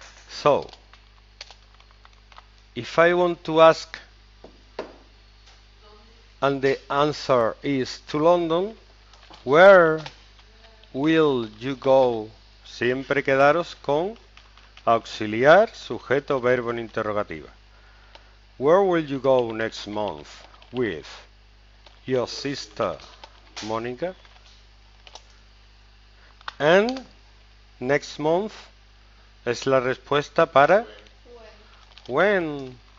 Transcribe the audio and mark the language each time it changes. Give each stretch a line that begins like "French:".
English: So, if I want to ask and the answer is to London, where will you go?
Spanish: Siempre quedaros con auxiliar, sujeto, verbo en interrogativa.
English: Where will you go next month with your sister, Monica? And next month
Spanish: es la respuesta para when.